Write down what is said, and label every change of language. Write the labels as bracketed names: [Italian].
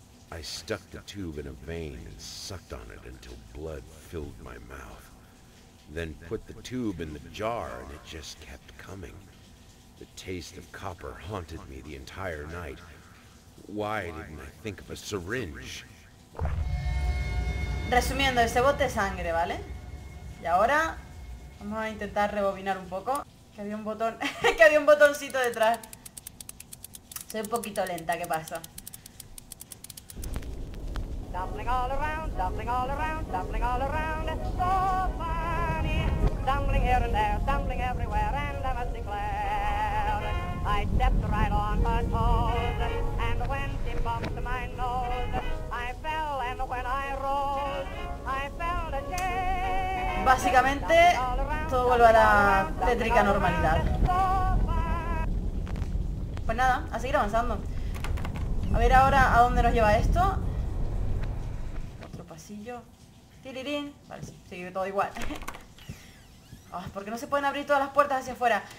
[English] I stuck the tube in a vein and sucked on it until blood filled my mouth. Then put the tube in the jar and it just kept coming. The taste of copper haunted me the entire night. Why didn't I think of a syringe? [Spanish] Resumiendo, ese bote de sangre, ¿vale? Y ahora vamos a intentar rebobinar un poco. Que había un botón, que había un botoncito detrás. Soy un poquito lenta, ¿qué pasa? [English] Dumpling all around, dumpling all around, dumpling all around, it's so funny. Dumpling here and there, dumpling everywhere, and I must declare, I stepped right on her toes, and when she bumped my nose, I fell, and when I rose, I felt a shame. [Spanish] Básicamente, todo vuelve a la tétrica normalidad. Pues nada, a seguir avanzando. A ver ahora a dónde nos lleva esto. Pasillo. Tirirín. Vale, sí, sigue todo igual. Oh, ¿por qué no se pueden abrir todas las puertas hacia afuera?